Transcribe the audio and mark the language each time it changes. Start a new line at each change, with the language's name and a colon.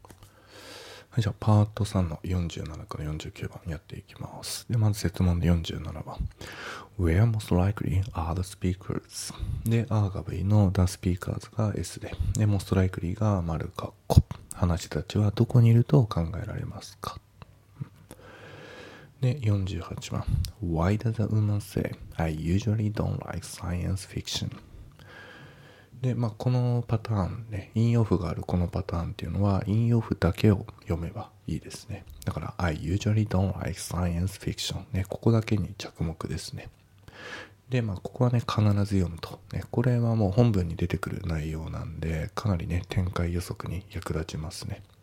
Japanese: はい、じゃあパート3の47から49番やっていきます。でまず設問で47番、
English: Where most likely are the speakers?
Japanese: で R が V の
English: The speakers
Japanese: が S で、 で
English: most likely
Japanese: が丸括弧、話たちはどこにいると考えられますか。で48番、
English: Why does the woman say I usually don't like science fiction?
Japanese: でまあ、このパターンね、インオフがあるこのパターンっていうのはインオフだけを読めばいいですね。だから
English: I usually don't like science fiction、
Japanese: ね、ここだけに着目ですね。で、まあ、ここはね必ず読むと、ね、これはもう本文に出てくる内容なんでかなりね展開予測に役立ちますね。